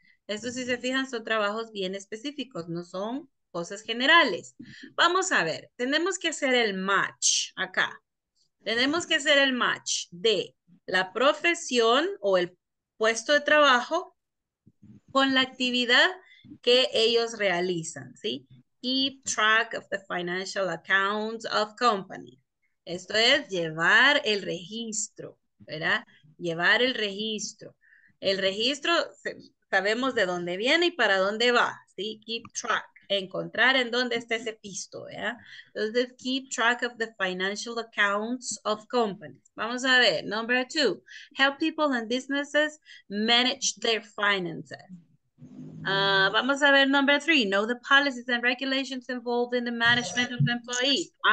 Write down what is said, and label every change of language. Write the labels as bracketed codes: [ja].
[es] Estos, si se fijan, son trabajos bien específicos, no son cosas generales. Vamos a ver, tenemos que hacer el match acá. Tenemos que hacer el match de la profesión o el puesto de trabajo con la actividad que ellos realizan, ¿sí? [en] Keep track of the financial accounts of company. [es] Esto es llevar el registro, ¿verdad? Llevar el registro. El registro, sabemos de dónde viene y para dónde va, ¿sí? Keep track, encontrar en dónde está ese pisto, ¿verdad? Entonces, [en] keep track of the financial accounts of companies. [es] Vamos a ver, [en] number two, help people and businesses manage their finances. [es] Vamos a ver, [en] number three, know the policies and regulations involved in the management of employees.